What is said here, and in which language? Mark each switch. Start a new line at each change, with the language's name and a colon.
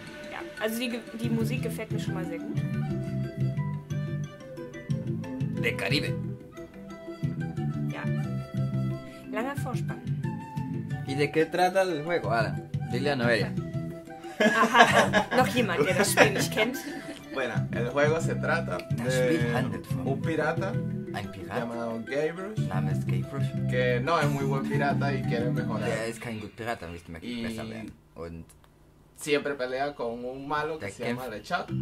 German: Ja, also die Musik gefällt mir schon mal sehr gut. Der Karibik. Langer Vorspann.
Spanish: ¿Y de qué trata el juego? Ahora, dile a Noelia.
German: Aha, noch jemand, der das Spiel nicht kennt.
Spanish: Bueno, el juego se trata de un pirata.
German: Ein Pirat.
Spanish: Llamado Guybrush.
German: Namens Guybrush.
Spanish: Que no es muy buen pirata y quiere mejorar.
German: Er ist kein guter Pirat, aber ich möchte besser werden. Und
Spanish: siempre pelea con un malo que se llama Lechak.